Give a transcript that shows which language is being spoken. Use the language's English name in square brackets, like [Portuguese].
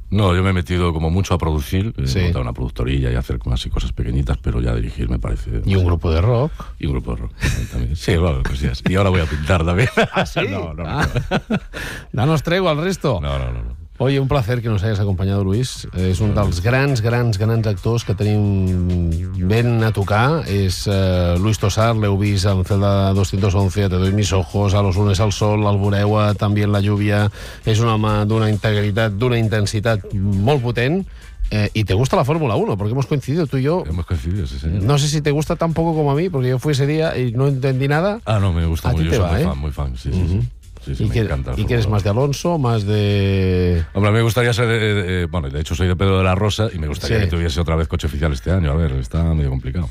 [Spanish] No, yo me he metido como mucho a producir, sí. Montar una productorilla y hacer así cosas pequeñitas, pero ya dirigir me parece... ¿Y un grupo de rock? Y un grupo de rock también. Sí, bueno, pues sí. Y ahora voy a pintar también. ¿Ah, sí? No. Danos tregua al resto. No. Oye, un placer que nos hayas acompañado, Luis. [Catalan] És un dels grans actors que tenim ben a tocar. És Luis Tosar, l'heu vist en Celda 211, Te doy mis ojos, A los lunes al sol, El Boreua, També en la lluvia. És un home d'una integritat, d'una intensitat molt potent. [Spanish] Y te gusta la Fórmula 1, porque hemos coincidido tú y yo. Hemos coincidido, sí, señor. No sé si te gusta tan poco como a mí, porque yo fui ese día y no entendí nada. Ah, no, me gusta mucho. Yo soy muy fan, sí, uh-huh. Sí. Sí, ¿Y quieres más de Alonso, más de...? Hombre, a mí me gustaría ser... Bueno, de hecho soy de Pedro de la Rosa y me gustaría que tuviese otra vez coche oficial este año. A ver, está medio complicado.